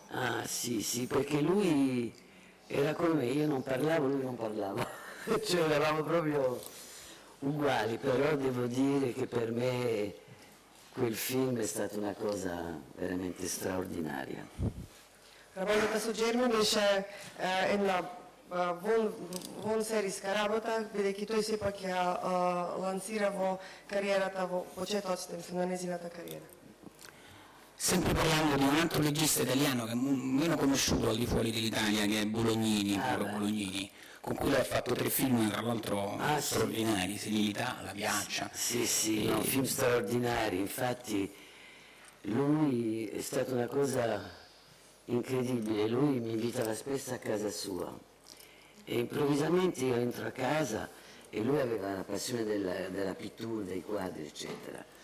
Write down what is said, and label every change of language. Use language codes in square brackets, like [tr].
[it] Ah, sì, sì, perché lui era come me, io non parlavo, lui non parlava. Cioè, eravamo proprio uguali, però devo dire che per me quel film è stata una cosa veramente straordinaria. [mk] Работата со Джерми беше една вон серијска работа, бидејќи тој сепак ја лансира во кариерата, во почетоците, мислам, на незината кариера. [it] Sempre parlando di un altro regista italiano che meno conosciuto al di fuori dell'Italia, che è Bolognini, Bolognini, con cui ha fatto 3 film, tra l'altro straordinari, Senilità, La Piaccia. Sì, no, film straordinari, infatti lui è stata una cosa incredibile, lui mi invitava spesso a casa sua e improvvisamente io entro a casa e lui aveva la passione della pittura, dei quadri, eccetera.